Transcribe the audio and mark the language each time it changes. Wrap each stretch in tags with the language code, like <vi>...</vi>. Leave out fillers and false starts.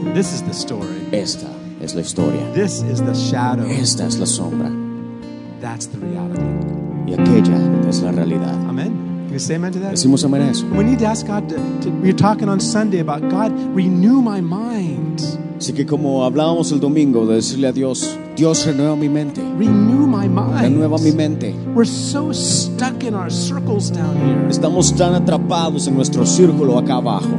<en>This is the story.</en> <es>Esta es la historia.</es> <en>This is the shadow.</en> <es>Esta es la sombra.</es> <en>That's the reality.</en> <es>Y aquella es la realidad.</es> <en>Amen. Can you say amen to that?</en> <es>Decimos amen a eso.</es> <en>We need to ask God. We're talking on Sunday about God renew my mind.</en> <es>Así que como hablábamos el domingo de decirle a Dios, Dios renueva mi mente.</es> <en>Renew my mind.</en> <es>Renueva mi mente.</es> <en>We're so stuck in our circles down here.</en> <es>Estamos tan atrapados en nuestro círculo acá abajo.</es>